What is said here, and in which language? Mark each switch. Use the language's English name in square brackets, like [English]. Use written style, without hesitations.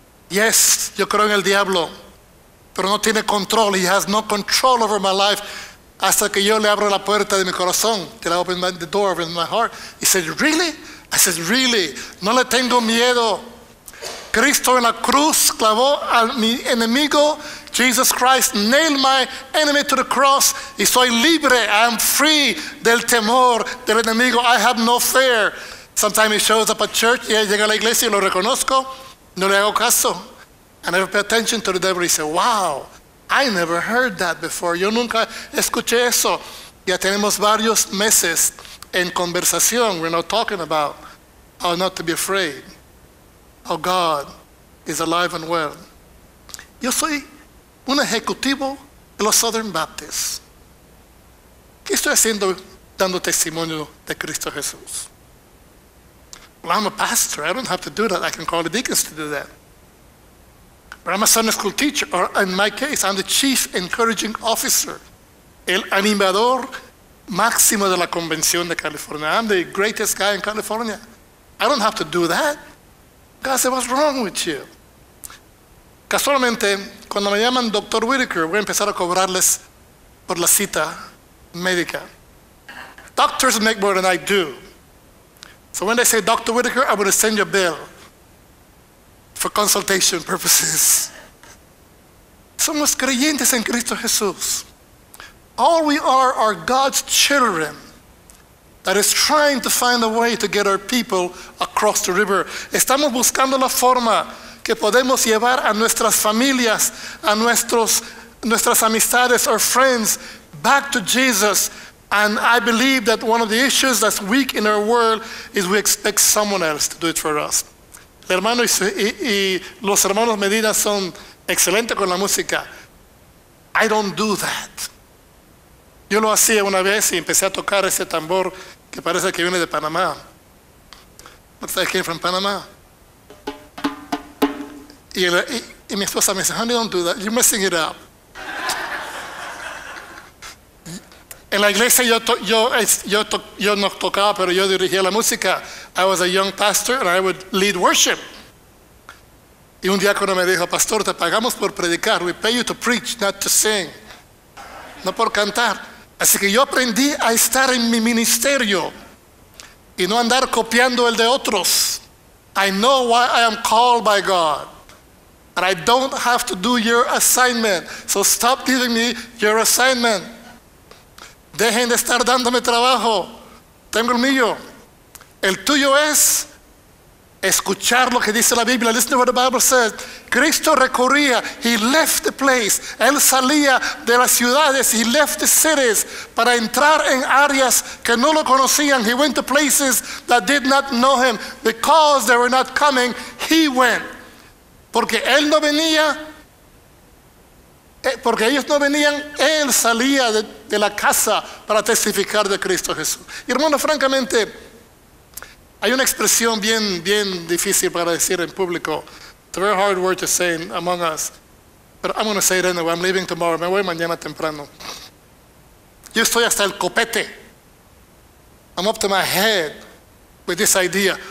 [Spanish] Yes, yo creo en el diablo, pero no tiene control. [English] He has no control over my life. [Spanish] Hasta que yo le abro la puerta de mi corazón. [English] Till I open the door of my heart. He said, really? I said, really? [Spanish] No le tengo miedo. Cristo en la cruz clavó a mi enemigo. [English] Jesus Christ nailed my enemy to the cross. [Spanish] Y soy libre. [English] I am free [Spanish] del temor del enemigo. [English] I have no fear. Sometimes he shows up at church. [Spanish] Y él llega a la iglesia y lo reconozco. No le hago caso. [English] I never pay attention to the devil. He said, wow, I never heard that before. [Spanish] Yo nunca escuché eso. Ya tenemos varios meses en conversación. [English] We're not talking about how not to be afraid. How God is alive and well. [Spanish] Yo soy un ejecutivo de los Southern Baptists. ¿Qué estoy haciendo dando testimonio de Cristo Jesús? [English] Well, I'm a pastor. I don't have to do that. I can call the deacons to do that. But I'm a Sunday school teacher. Or in my case, I'm the chief encouraging officer. [Spanish] El animador máximo de la convención de California. [English] I'm the greatest guy in California. I don't have to do that. God said, what's wrong with you? [Spanish] Casualmente, cuando me llaman Dr. Whitaker, voy a empezar a cobrarles por la cita médica. [English] Doctors make more than I do. So when they say, Dr. Whitaker, I'm going to send you a bill for consultation purposes. So [Spanish] somos creyentes en Cristo Jesús. [English] All we are God's children that is trying to find a way to get our people across the river. [Spanish] Estamos buscando la forma que podemos llevar a nuestras familias, a nuestras amistades, [English] our friends, back to Jesus. And I believe that one of the issues that's weak in our world is we expect someone else to do it for us. [Spanish] El hermano y los hermanos Medina son excelentes con la música. [English] I don't do that. [Spanish] Yo lo hacía una vez y empecé a tocar ese tambor que parece que viene de Panamá. [English] Looks like it came from Panama. [Spanish] Y mi esposa me dice, [English] honey, don't do that. You're messing it up. [Spanish] En la iglesia yo no tocaba, pero yo dirigía la música. [English] I was a young pastor and I would lead worship. [Spanish] Y un diácono me dijo, pastor, te pagamos por predicar. [English] We pay you to preach, not to sing. [Spanish] No por cantar. Así que yo aprendí a estar en mi ministerio y no andar copiando el de otros. [English] I know why I am called by God. And I don't have to do your assignment. So stop giving me your assignment. [Spanish] Dejen de estar dándome trabajo. Tengo el mío. El tuyo es escuchar lo que dice la Biblia. [English] Listen to what the Bible says. [Spanish] Cristo recorría. [English] He left the place. [Spanish] Él salía de las ciudades. [English] He left the cities [Spanish] para entrar en áreas que no lo conocían. [English] He went to places that did not know him. Because they were not coming, he went. [Spanish] Porque él no venía. Porque ellos no venían, él salía de la casa para testificar de Cristo Jesús. Y hermano, francamente, hay una expresión bien, bien difícil para decir en público. [English] It's a very hard word to say among us. But I'm going to say it anyway. I'm leaving tomorrow. [Spanish] Me voy mañana temprano. Yo estoy hasta el copete. [English] I'm up to my head with this idea.